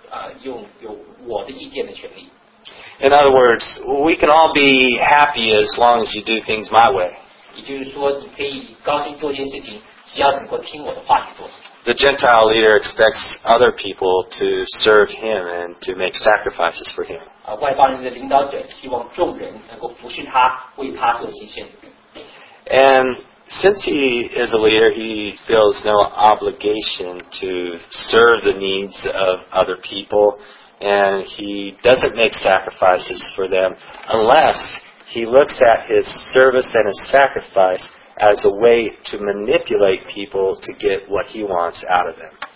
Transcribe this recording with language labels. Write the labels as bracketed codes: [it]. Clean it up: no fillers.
[zh] 他们的哲学是说，每个人都可以用我的意见的权利。 [en] In other words, we can all be happy as long as you do things my way. [zh] 也就是说，你可以高兴做一件事情，只要能够听我的话去做。 [en] The Gentile leader expects other people to serve him and to make sacrifices for him. [zh] 外邦人的领导者希望众人能够服侍他，为他做牺牲。 [en] And since he is a leader, he feels no obligation to serve the needs of other people, and he doesn't make sacrifices for them unless he looks at his service and his sacrifice as a way to manipulate people to get what he wants out of them.